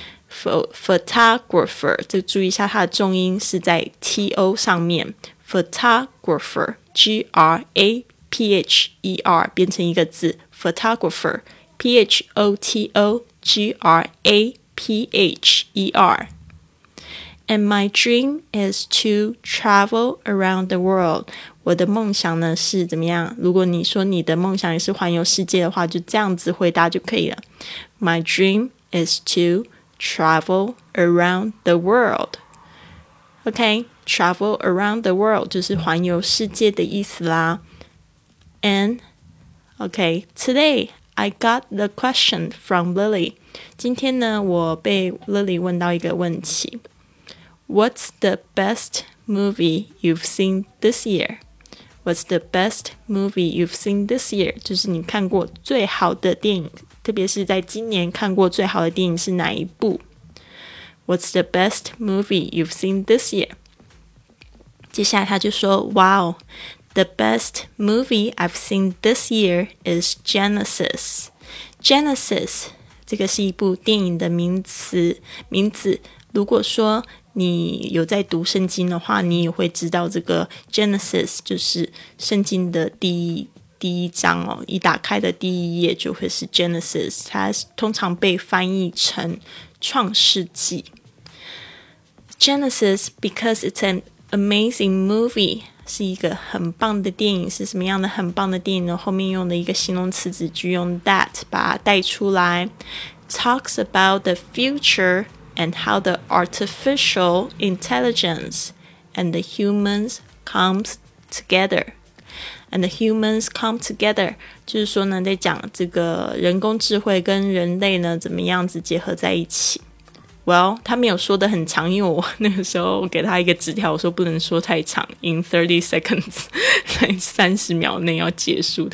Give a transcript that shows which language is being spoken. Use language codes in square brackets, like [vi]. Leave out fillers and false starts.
[zh] photographer， 就注意一下它的重音是在 T-O 上面， photographer G-R-A-P-H-E-R 变成一个字 photographer， P-H-O-T-O-G-R-A-P-H-E-rAnd [en] my dream is to travel around the world. [zh] 我的梦想呢是怎么样？如果你说你的梦想也是环游世界的话，就这样子回答就可以了。 [en] My dream is to travel around the world. Okay, travel around the world [zh] 就是环游世界的意思啦。 [en] And, okay, today I got the question from Lily. [zh] 今天呢，我被 Lily 问到一个问题。 [en] What's the best movie you've seen this year? What's the best movie you've seen this year? [zh] 就是你看过最好的电影，特别是在今年看过最好的电影是哪一部？ [en] What's the best movie you've seen this year? [zh] 接下来他就说 [en] Wow, the best movie I've seen this year is Genesis. [zh] Genesis, 这个是一部电影的名词，如果说你有在读圣经的话，你也会知道这个 Genesis 就是圣经的第一章哦，一打开的第一页就会是 Genesis， 它通常被翻译成创世纪。 [en] Genesis because it's an amazing movie， [zh] 是一个很棒的电影。是什么样的很棒的电影呢？后面用的一个形容词子句用 that 把它带出来。 [en] Talks about the futureAnd how the artificial intelligence and the humans comes together. And the humans come together. [zh] 就是说呢，在讲这个人工智慧跟人类呢，怎么样子结合在一起。 Well, 他没有说得很长，因为我那个时候给他一个纸条，我说不能说太长， [en] in 30 seconds, [zh] 在30秒内要结束。